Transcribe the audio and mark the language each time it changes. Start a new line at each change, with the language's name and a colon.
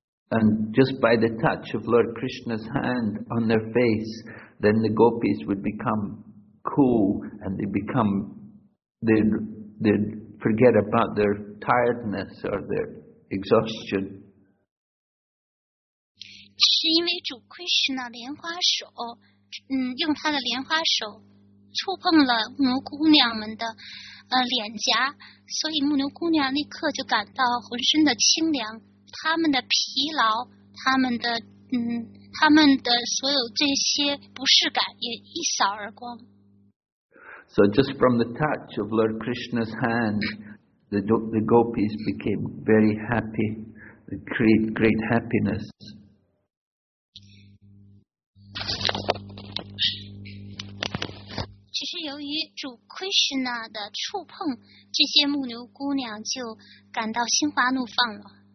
English: And just by the touch of Lord Krishna's hand on their face, then the gopis would become cool and they become, they'd forget about their tiredness or their exhaustion.
Chinese: 是因为主 Krishna 莲花手，用他的莲花手触碰了牧牛姑娘们的脸颊，所以牧牛姑娘立刻就感到浑身的清凉。他们的疲劳，他们的所有这些不适感也一扫而光。
English: So just from the touch of Lord Krishna's hand, the gopis became very happy, they create great happiness.
Chinese: 只是由于主 Krishna 的触碰，这些牧牛姑娘就感到心花怒放了。